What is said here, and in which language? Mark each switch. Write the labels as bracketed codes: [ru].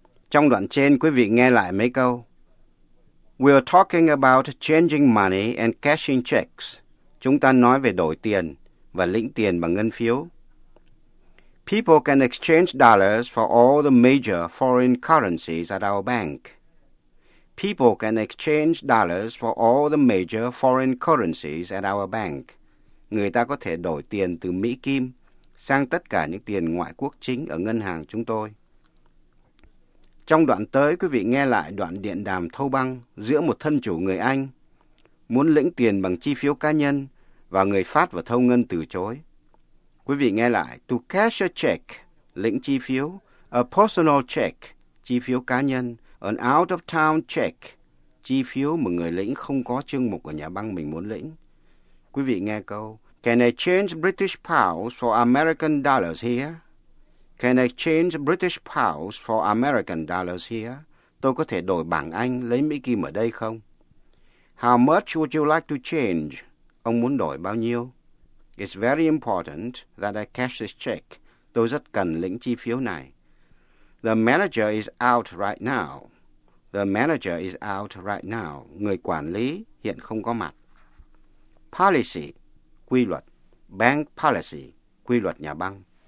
[vi] Trong đoạn trên, quý vị nghe lại mấy câu. [en] We are talking about changing money and cashing checks. [vi] Chúng ta nói về đổi tiền và lĩnh tiền bằng ngân phiếu. [en] People can exchange dollars for all the major foreign currencies at our bank. People can exchange dollars for all the major foreign currencies at our bank. [vi] Người ta có thể đổi tiền từ Mỹ Kim sang tất cả những tiền ngoại quốc chính ở ngân hàng chúng tôi. Trong đoạn tới, quý vị nghe lại đoạn điện đàm thâu băng giữa một thân chủ người Anh muốn lĩnh tiền bằng chi phiếu cá nhân và người phát và thâu ngân từ chối. Quý vị nghe lại, [en] to cash a check, [vi] lĩnh chi phiếu, [en] a personal check, [vi] chi phiếu cá nhân, [en] an out-of-town check, [vi] chi phiếu mà người lĩnh không có chương mục ở nhà băng mình muốn lĩnh. Quý vị nghe câu, [en] can I change British pounds for American dollars here? Can I change British pounds for American dollars here? [vi] Tôi có thể đổi bảng Anh lấy Mỹ Kim ở đây không? [en] How much would you like to change? [vi] Ông muốn đổi bao nhiêu? [en] It's very important that I cash this check. [vi] Tôi rất cần lĩnh chi phiếu này. [en] The manager is out right now. The manager is out right now. [vi] Người quản lý hiện không có mặt. Policy, quy luật. Bank policy, quy luật nhà băng.